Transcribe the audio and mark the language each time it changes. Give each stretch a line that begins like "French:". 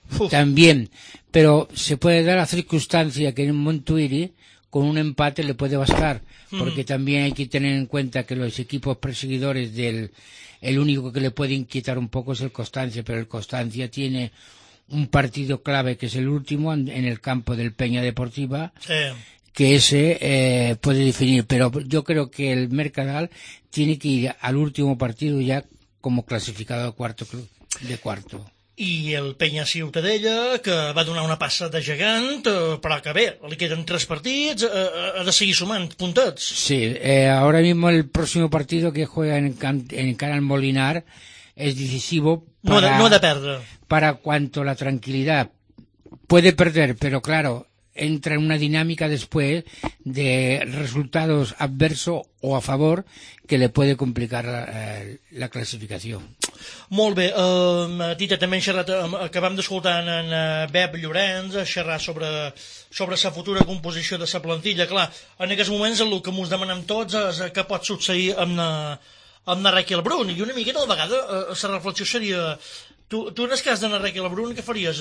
Spanish: También, pero se puede dar la circunstancia que en Montuiri con un empate le puede bastar, porque también hay que tener en cuenta que los equipos perseguidores del, el único que le puede inquietar un poco es el Constancia, pero el Constancia tiene un partido clave que es el último en el campo del Peña Deportiva, que ese puede definir, pero yo creo que el Mercadal tiene que ir al último partido ya como clasificado de cuarto.
Catalan: I el Peña Ciutadella, que va donar una passa de gegant, però que bé, li queden tres partits, ha de seguir sumant puntets.
Spanish: Sí, ahora mismo el próximo partido que juega en Canal Molinar es decisivo para,
Catalan: no ha de perdre.
Spanish: Para cuanto la tranquilidad. Puede perder, pero claro, entra en una dinámica después de resultados adversos o a favor que le puede complicar la clasificación.
Catalan: Molt bé, Tita, també xerrat, acabam d'escoltar en Beb Llorenç xerrar sobre sa futura composició de sa plantilla. Clar, en aquests moments el que mos demanem tots és què pot succeir amb na Raquel Brun, i una miqueta de vegada sa reflexió seria: tu en el cas de na Raquel Brun, què faries?